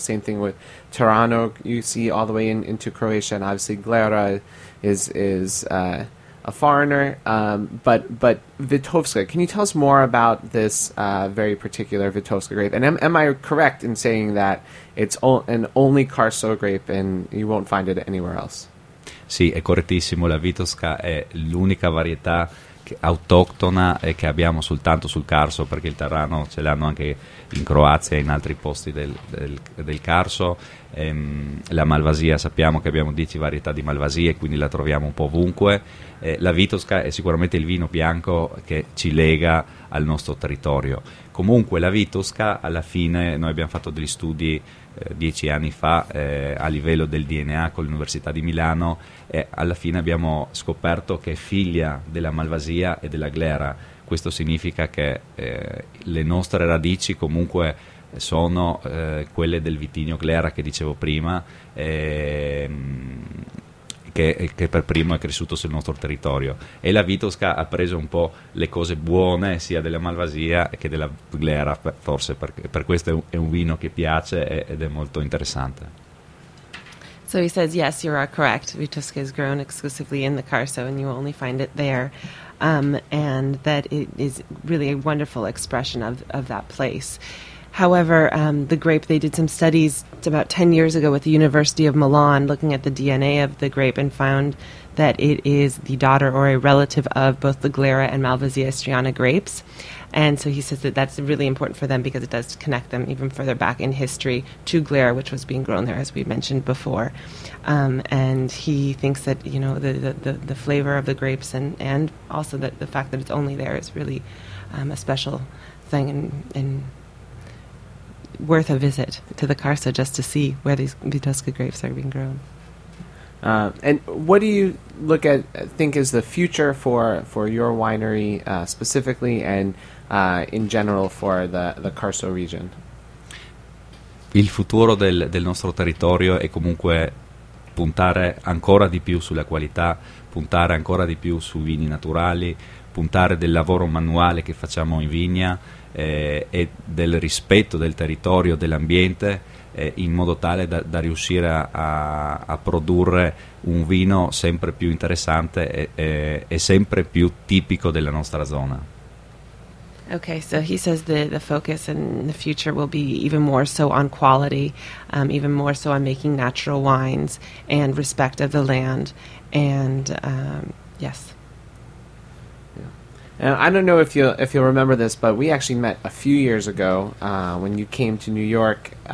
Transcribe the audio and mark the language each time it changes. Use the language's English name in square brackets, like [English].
[English] Same thing with Tirano, you see all the way into Croatia. And obviously Glera is a foreigner, but Vitovska. Can you tell us more about this very particular Vitovska grape? And am I correct in saying that it's an only Carso grape and you won't find it anywhere else? [Italian] Sì, è correttissimo. La Vitovska è l'unica varietà autoctona che abbiamo soltanto sul Carso, perché il Tarano ce l'hanno anche in Croazia e in altri posti del Carso. La Malvasia, sappiamo che abbiamo 10 varietà di Malvasia, quindi la troviamo un po' ovunque. La Vitovska è sicuramente il vino bianco che ci lega al nostro territorio. Comunque la Vitovska, alla fine, noi abbiamo fatto degli studi 10 anni fa a livello del DNA con l'Università di Milano, e alla fine abbiamo scoperto che è figlia della Malvasia e della Glera. Questo significa che le nostre radici comunque sono quelle del vitigno Glera che dicevo prima, che per primo è cresciuto sul nostro territorio, e la Vitovska ha preso un po' le cose buone sia della Malvasia che della Glera, forse per questo è un vino che piace ed è molto interessante. [English] So he says, yes, you are correct. Vitovska is grown exclusively in the Carso, and you only find it there. And that it is really a wonderful expression of that place. However, the grape, they did some studies about 10 years ago with the University of Milan, looking at the DNA of the grape, and found that it is the daughter or a relative of both the Glera and Malvasia Istriana grapes. And so he says that that's really important for them because it does connect them even further back in history to Glera, which was being grown there, as we mentioned before. And he thinks that, you know, the flavor of the grapes and also that the fact that it's only there is really a special thing and worth a visit to the Carso just to see where these Vitovska grapes are being grown. And what do you think is the future for your winery specifically and in general for the Carso region? [Italian] Il futuro del nostro territorio è comunque puntare ancora di più sulla qualità, puntare ancora di più su vini naturali, puntare del lavoro manuale che facciamo in vigna e del rispetto del territorio, dell'ambiente, in modo tale da riuscire a produrre un vino sempre più interessante e sempre più tipico della nostra zona. [English] Okay, so he says the focus in the future will be even more so on quality, even more so on making natural wines and respect of the land, and yes. And I don't know if you'll remember this, but we actually met a few years ago when you came to New York.